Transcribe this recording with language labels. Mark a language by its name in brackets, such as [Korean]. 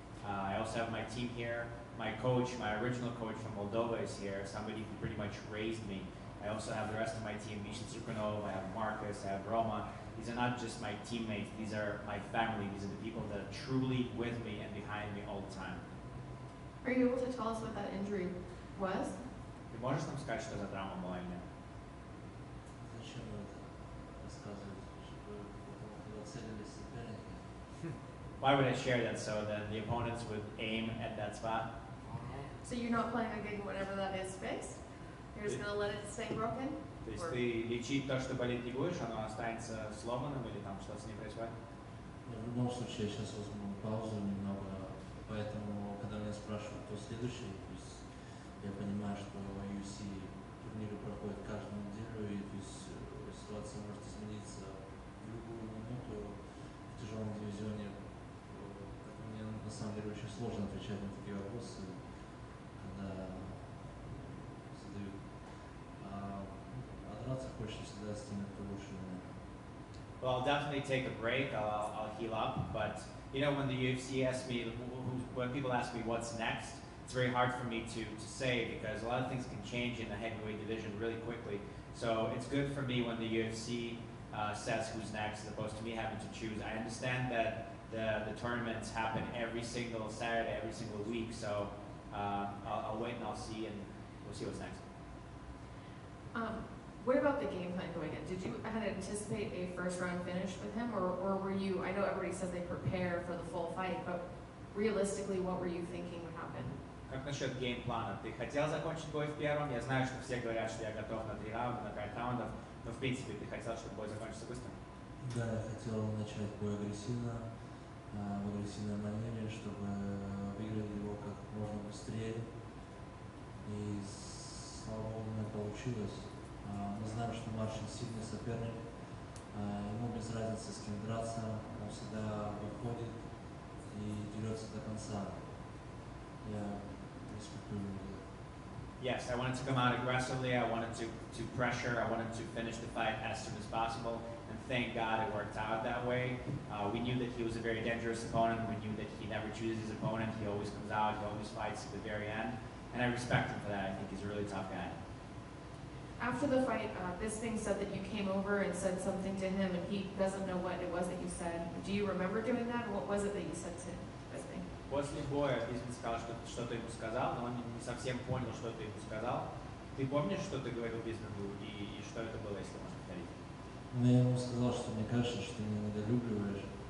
[English] I also have my team here. My coach, my original coach from Moldova, is here, somebody who pretty much raised me. I also have the rest of my team, Misha Tsukunov, I have Marcus, I have Roma. These are not just my teammates, these are my family. These are the people that are truly with me and behind me all the time. Are you able to tell us what that injury was? [Russian] Ты можешь нам сказать, что за травма была мне? Зачем это рассказывать, чтобы нацелили соперника? [English] Why would I share that so that the opponents would aim at that spot? So you're not playing a gig whatever that is fixed? You're just gonna let it stay broken? [Russian] То есть ты лечить то, что болит, не будешь, оно останется сломанным или там что-то с ним происходит? В любом случае, я сейчас возьму паузу немного. Поэтому, когда меня спрашивают, кто следующий, то есть я понимаю, что UFC турниры проходят каждую неделю, и то есть ситуация может измениться в любую минуту в тяжелом дивизионе. Мне на самом деле очень сложно отвечать на такие вопросы, когда задают. А драться хочется всегда с теми, кто лучше меня. [English] Well, I'll definitely take a break, I'll heal up, but you know, when the UFC asked me, when people ask me what's next, it's very hard for me to say because a lot of things can change in the heavyweight division really quickly. So it's good for me when the UFC says who's next as opposed to me having to choose. I understand that the tournaments happen every single Saturday, every single week. So I'll wait and I'll see, and we'll see what's next. What about the game plan going in? Did you kind of anticipate a first round finish with him, or were you, I know everybody says they prepare for the full fight, but realistically, what were you thinking would happen? [Russian] Как насчет геймплана? Ты хотел закончить бой в первом? Я знаю, что все говорят, что я готов на три раунда, на пять раундов, но в принципе, ты хотел, чтобы бой закончился быстро? Да, я хотел начать бой агрессивно, в агрессивной манере, чтобы выиграть его как можно быстрее. И слава богу, у меня получилось. Мы знаем, что Маршин сильный соперник, ему без разницы с кем драться, он всегда выходит и дерется до конца. Я респектую его. [English] Yes, I wanted to come out aggressively, I wanted to pressure, I wanted to finish the fight as soon as possible, and thank God it worked out that way. We knew that he was a very dangerous opponent, we knew that he never chooses his opponent, he always comes out, he always fights at the very end, and I respect him for that, I think he's a really tough guy. After the fight, Bisping said that you came over and said something to him, and he doesn't know what it was that you said. Do you remember doing that? What was it that you said to Bisping? [Russian] После боя Бисминг сказал, что что-то ему сказал, но он не совсем понял, что ты ему сказал. Ты помнишь, что ты говорил Бисмингу и что это было, если можно повторить? Ну, я ему сказал, что мне кажется, что ты меня недолюбливаешь.